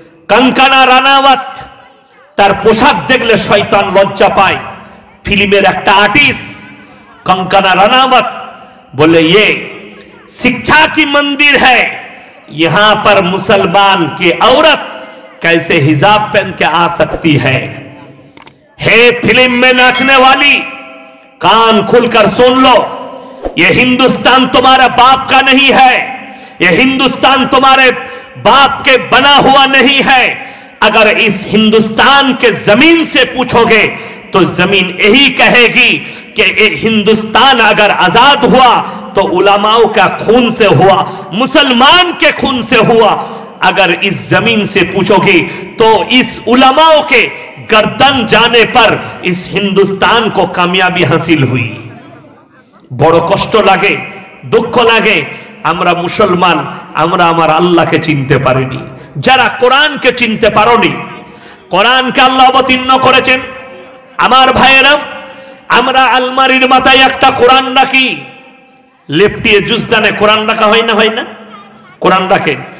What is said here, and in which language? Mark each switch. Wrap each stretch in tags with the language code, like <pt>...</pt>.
<bn>কঙ্কনা রানাওয়াত তার পোশাক দেখলে শয়তান লজ্জা পায়। ফিল্মের একটা আর্টিস্ট কঙ্কনা রানাওয়াত বলে,</bn> <hi>ইয়ে শিক্ষা কি মন্দির হ্যায়, ইহাঁ পর মুসলমান কি ঔরত কেসে হিজাব পেন কে আ সকতি হ্যায়। হে ফিল্ম মে নাচনে ওয়ালি, কান খুল কর সুন লো, ये हिंदुस्तान तुम्हारा बाप का नहीं है, ये हिंदुस्तान तुम्हारे बाप के बना हुआ नहीं है। अगर इस हिंदुस्तान के जमीन से पूछोगे तो जमीन यही कहेगी कि ये हिंदुस्तान अगर आजाद हुआ तो उलामाओं का खून से हुआ, मुसलमान के खून से हुआ। अगर इस जमीन से पूछोगे तो इस उलामाओं के गर्दन जाने पर इस हिंदुस्तान को कामयाबी हासिल हुई।</hi> <bn>বড় কষ্ট লাগে, দুঃখ লাগে, আমরা মুসলমান আমরা আমার আল্লাহকে চিনতে পারিনি। যারা কোরআনকে চিনতে পারোনি, কোরআনকে আল্লাহ অবতীর্ণ করেছেন। আমার ভাইয়েরা, আমরা আলমারির মাথায় একটা কোরআন রাখি, লেপটিয়ে জুজদানে কোরআন রাখা হয় না? হয় না? কোরআন রাখে।</bn>